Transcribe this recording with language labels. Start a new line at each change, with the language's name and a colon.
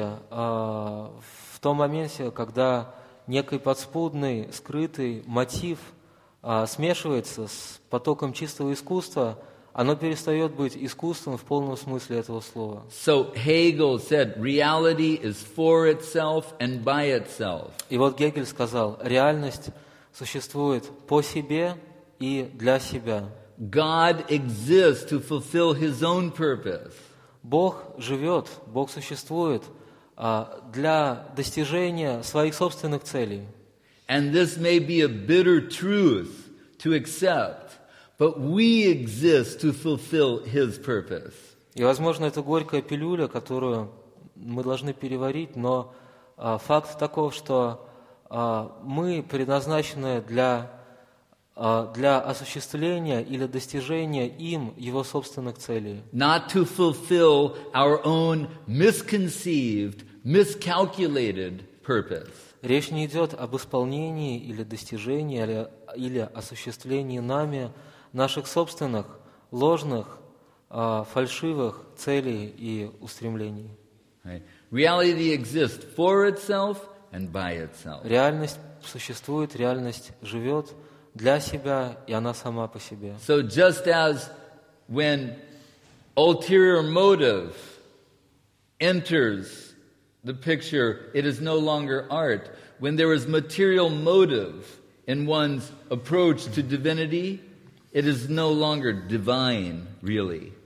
Russian: В том моменте, когда некий подспудный, скрытый мотив смешивается с потоком чистого искусства, оно перестает быть искусством в полном смысле этого слова.
English: So Hegel said, reality is for itself and by itself.
Russian: И вот Гегель сказал, реальность существует по себе и для себя.
English: God exists to fulfill his own purpose.
Russian: Бог живет, Бог существует для достижения своих собственных целей.
English: And this may be a bitter truth to accept, but we exist to fulfill his purpose.
Russian: И, возможно, это горькая пилюля, которую мы должны переварить, но факт таков, что мы предназначены для осуществления или достижения им его собственных целей.
English: Not to fulfill our own misconceived, miscalculated purpose.
Russian: Речь не идет об исполнении или достижении или осуществлении нами наших собственных ложных, фальшивых целей и устремлений.
English: Reality exists for itself and by itself.
Russian: Реальность существует, реальность живет для себя, и она сама по себе.
English: So just as when ulterior motive enters the picture, it is no longer art. When there is material motive in one's approach to divinity, it is no longer divine, really.